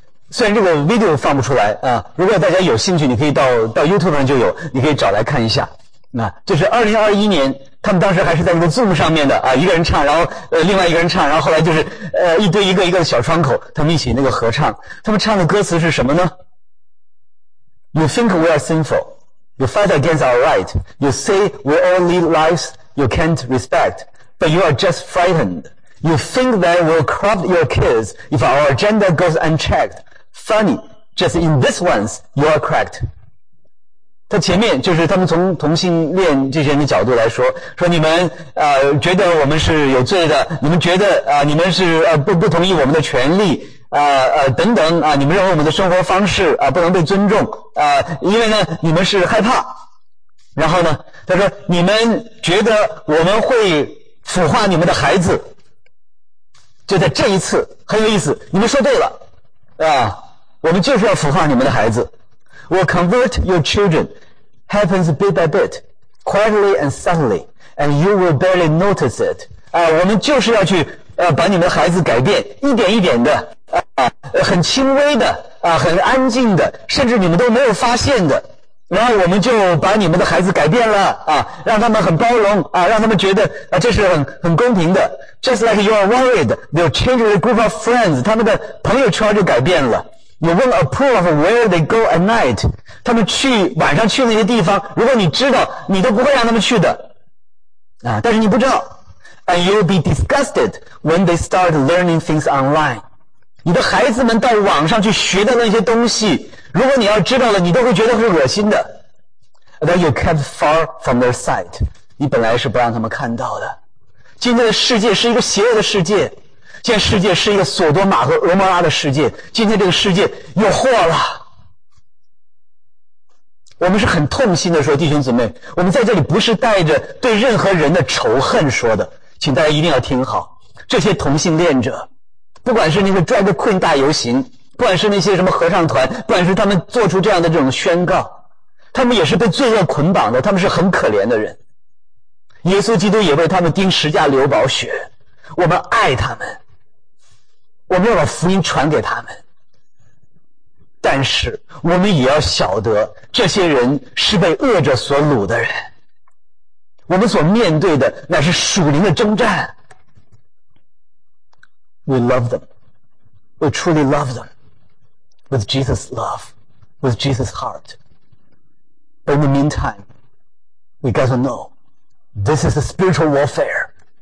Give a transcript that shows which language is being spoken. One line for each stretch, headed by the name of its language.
Chinese: 虽然这个 video 放不出来啊，如果大家有兴趣，你可以到 YouTube 上就有，你可以找来看一下。那就是2021年，他们当时还是在那个 Zoom 上面的啊，一个人唱，然后另外一个人唱，然后后来就是一堆一个的小窗口，他们一起那个合唱。他们唱的歌词是什么呢 ？
English: You think we are sinful, you fight against our right, you say we all lead lives you can't respect, but you are just frightened. You think that we'll corrupt your kids if our agenda goes unchecked. Funny, just in this once, you are cracked.
Chinese: 他前面就是他们从同性恋这些人的角度来说，说你们觉得我们是有罪的，你们觉得你们是不同意我们的权利等等你们认为我们的生活方式不能被尊重因为呢你们是害怕。然后呢他说你们觉得我们会腐化你们的孩子。就在这一次很有意思，你们说对了啊，我们就是要腐化你们的孩子。
English: We'll convert your children happens bit by bit quietly and subtly and you will barely notice it
Chinese: 啊，我们就是要去把你们的孩子改变，一点一点的很轻微的很安静的，甚至你们都没有发现的，然后我们就把你们的孩子改变了让他们很包容让他们觉得这是很公平的。
English: Just like you are worried, they'll change the group of friends.
Chinese: 他们的朋友圈就改变了。
English: You won't approve of where they go at night.
Chinese: 他们去晚上去那些地方，如果你知道，你都不会让他们去的但是你不知道。
English: And you'll be disgusted when they start learning things online.
Chinese: 你的孩子们到网上去学的那些东西，如果你要知道了，你都会觉得是恶心的。
English: That you kept far from their sight.
Chinese: 你本来是不让他们看到的。今天的世界是一个邪恶的世界，现在世界是一个索多玛和俄摩拉的世界，今天这个世界有祸了。我们是很痛心的说，弟兄姊妹，我们在这里不是带着对任何人的仇恨说的，请大家一定要听好，这些同性恋者，不管是那个 drag queen 大游行，不管是那些什么合唱团，不管是他们做出这样的这种宣告，他们也是被罪恶捆绑的，他们是很可怜的人，耶稣基督也为他们钉十架流宝血，我们爱他们，我们要把福音传给他们，但是我们也要晓得这些人是被恶者所掳的人，我们所面对的乃是属灵的征战。
English: We love them, we truly love them with Jesus' love, with Jesus' heart, but in the meantime we got to knowThis is a spiritual warfare.